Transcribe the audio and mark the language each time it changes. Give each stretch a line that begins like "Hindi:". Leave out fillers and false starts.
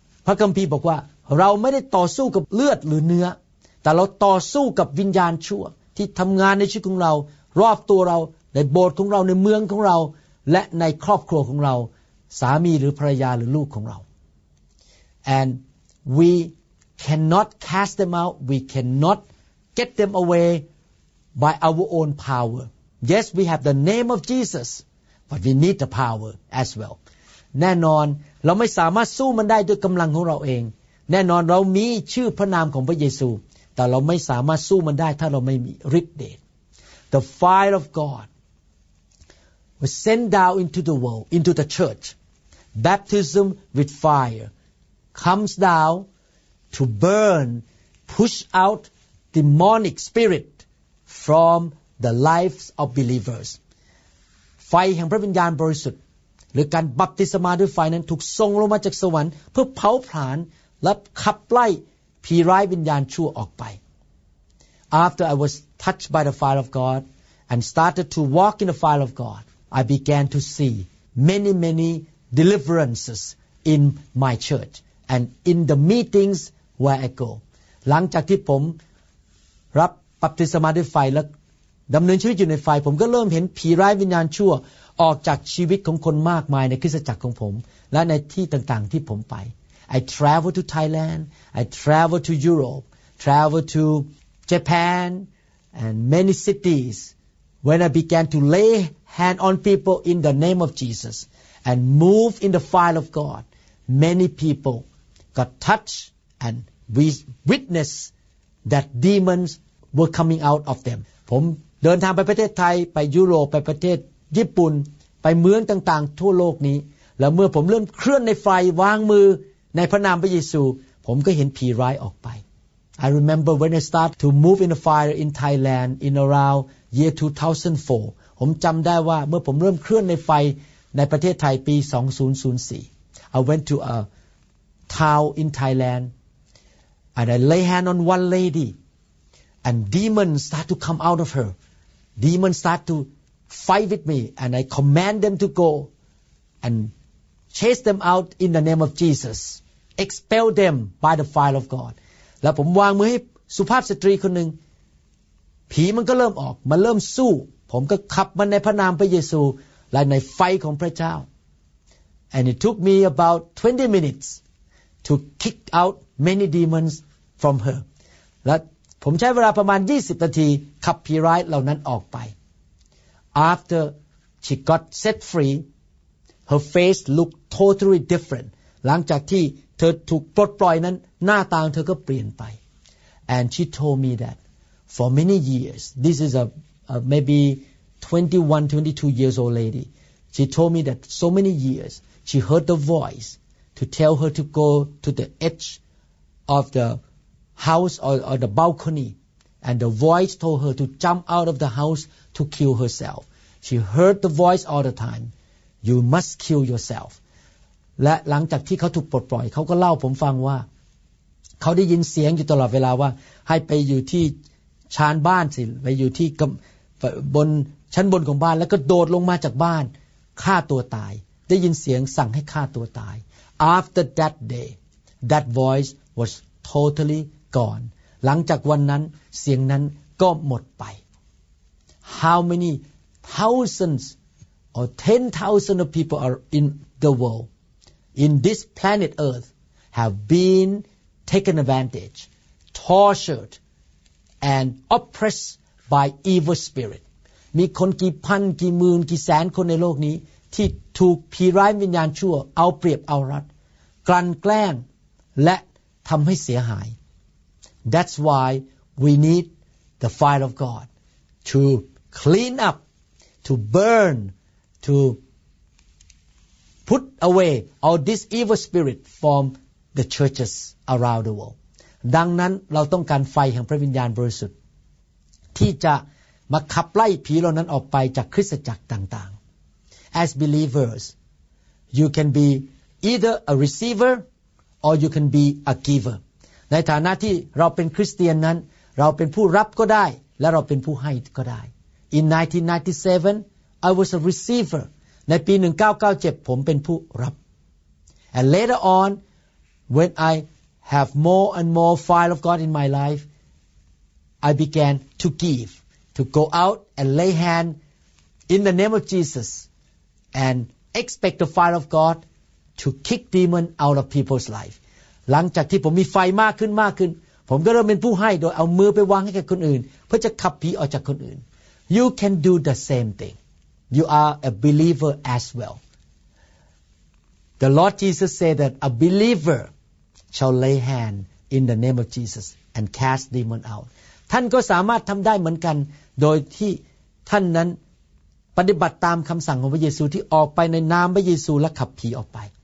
Thai: พระคัมภีร์บอกว่าเราไม่ได้ต่อสู้กับเลือดหรือเนื้อแต่เราต่อสู้กับวิญญาณชั่วที่ทำงานในชีวิตของเรารอบตัวเราในโบสถ์ของเราในเมืองของเราและในครอบครัวของเราสามีหรือภรรยาหรือลูกของเรา
English: and we cannot cast them out. We cannot get them away by our own power. Yes, we have the name of Jesus, but we need the power as well.
Thai: แน่นอนเราไม่สามารถสู้มันได้ด้วยกำลังของเราเองแน่นอนเรามีชื่อพระนามของพระเยซูแต่เราไม่สามารถสู้มันได้ถ้าเราไม่มีฤทธิ์เดช
English: The fire of God was sent down into the world, into the church. Baptism with fire comes down to burn, push out demonic spirit from the lives of believers.
Thai: ไฟแห่งพระวิญญาณบริสุทธิ์หรือการบัพติศมาด้วยไฟนั้นถูกส่งลงมาจากสวรรค์เพื่อเผาผลาญและขับไล่ผีร้ายวิญญาณชั่วออกไป
English: After I was touched by the fire of God and started to walk in the fire of God, I began to see many, many deliverances in my church and in the meetings where I go.
Thai: หลังจากที่ผมรับบัพติศมาด้วยไฟและดำเนินชีวิตอยู่ในไฟผมก็เริ่มเห็นผีร้ายวิญญาณชั่วออกจากชีวิตของคนมากมายในคริสตจักรของผมและในที่ต่างๆที่ผมไป
English: I travel to Thailand, I travel to Europe, travel to Japan and many cities when I began to lay hand on people in the name of Jesus and move in the fire of God. Many people got touched and we witnessed that demons were coming out of them.
Thai: ผมเดินทางไปประเทศไทยไปยุโรปไปประเทศญี่ปุ่นไปเมืองต่างๆทั่วโลกนี้แล้วเมื่อผมเริ่มเคลื่อนในไฟวางมือในพระนามพระเยซูผมก็เห็นผีร้ายออกไป
English: I remember when I start to move in the fire in Thailand in around year 2004
Thai: ผมจำได้ว่าเมื่อผมเริ่มเคลื่อนในไฟในประเทศไทยปี2004
English: I went to a town in Thailand and I lay hand on one lady and demons start to come out of her demons start to fight with me and I command them to go andchase them out in the name of Jesus expel them by the fire of God
Thai: แล้วผมวางมือให้สุภาพสตรีคนนึงผีมันก็เริ่มออกมันเริ่มสู้ผมก็ขับมันในพระนามพระเยซูและในไฟของพระเจ้า
English: and it took me about 20 minutes to kick out many demons from her
Thai: และผมใช้เวลาประมาณ20นาทีขับผีร้ายเหล่านั้นออกไป
English: after she got set freeHer face looked totally different.
Thai: หลังจากที่เธอถูกปลดปล่อยนั้นหน้าตาของเธอก็เปลี่ยนไป
English: And she told me that for many years, this is a maybe 21, 22 years old lady. She told me that so many years, she heard the voice to tell her to go to the edge of the house or the balcony. And the voice told her to jump out of the house to kill herself. She heard the voice all the time. You must kill yourself.
Thai: และหลังจากที่เขาถูกปลดปล่อยเขาก็เล่าผมฟังว่าเขาได้ยินเสียงอยู่ตลอดเวลาว่าให้ไปอยู่ที่ชานบ้านสิไปอยู่ที่บนชั้นบนของบ้านแล้วก็โดดลงมาจากบ้านฆ่าตัวตายได้ยินเสียงสั่งให้ฆ่าตัวตาย
English: After that day, that voice was totally gone.
Thai: หลังจากวันนั้นเสียงนั้นก็หมดไป
English: How many thousandsOr 10,000 of people are in the world, in this planet Earth, have been taken advantage, tortured, and oppressed by evil spirit.
Thai: มีคนกี่พันกี่หมื่นกี่แสนคนในโลกนี้ที่ถูกผีร้ายวิญญาณชั่วเอาเปรียบเอารัดกลั่นแกล้งและทำให้เสียหาย
English: That's why we need the fire of God to clean up, to burn. To put away all this evil spirit from the churches around the world.
Thai: ดังนั้นเราต้องการไฟแห่งพระวิญญาณบริสุทธิ์ที่จะมาขับไล่ผีเหล่านั้นออกไปจากคริสตจักรต่าง
English: ๆ As believers, you can be either a receiver or you can be a giver.
Thai: ในฐานะที่เราเป็นคริสเตียนนั้นเราเป็นผู้รับก็ได้และเราเป็นผู้ให้ก็ได้
English: In 1997,I was a receiver.
Thai: ในปี 1997 ผมเป็นผู้รับ
English: And later on, when I have more and more fire of God in my life, I began to give, to go out and lay hand in the name of Jesus and expect the fire of God to kick demon out of people's life.
Thai: หลังจากที่ผมมีไฟมากขึ้นมากขึ้นผมก็เริ่มเป็นผู้ให้โดยเอามือไปวางให้กับคนอื่นเพื่อจะขับผีออกจากคนอื่น
English: You can do the same thing You are a believer as well The Lord Jesus said that a believer shall lay hand in the name of Jesus and cast demon out
Thai: ท่านก็สามารถทำได้เหมือนกันโดยที่ท่านนั้นปฏิบัติตามคำสั่งของพระเยซูที่ออกไปในนามพระเยซูและขับผีออกไป